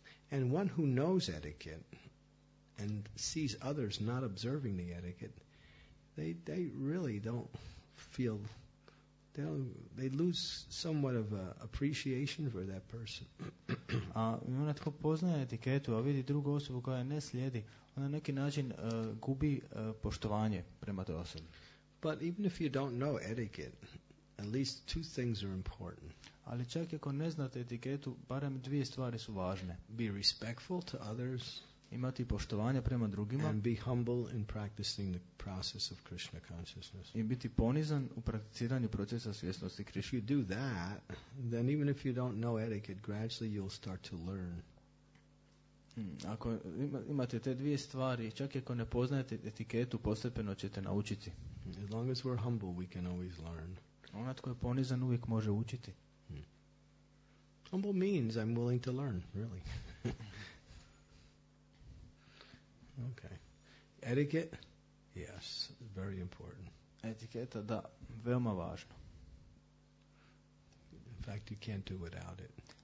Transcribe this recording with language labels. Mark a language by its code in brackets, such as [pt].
[en] And one who knows etiquette and sees others not observing the etiquette, they really don't feel, they lose somewhat of appreciation for that person. [hr] A ona tko poznaje etiketu, a vidi drugu osobu koja ne slijedi, ona na neki način gubi poštovanje prema toj osobi. [en] But even if you don't know etiquette, at least two things are important. [hr] Ali čak ako ne znate etiketu, barem dvije stvari su važne. [en] Be respectful to others. [hr] Imati poštovanje prema drugima. [en] And be humble in practicing the process of Krishna consciousness. [hr] I biti ponizan u prakticiranju procesa svjesnosti Krishna. [en] If you do that, then even if you don't know etiquette, gradually you'll start to learn. [hr] Ako imate te dvije stvari, čak ako ne poznajete etiketu, postepeno ćete naučiti. [en] As long as we're humble, we can always learn. [hr] Onaj tko je ponizan uvijek može učiti. [en] Humble means I'm willing to learn, really. Okay. Etiquette? Yes, very important. [hr] Etiketa, da, veoma važno. [en] In fact, you can't do without it.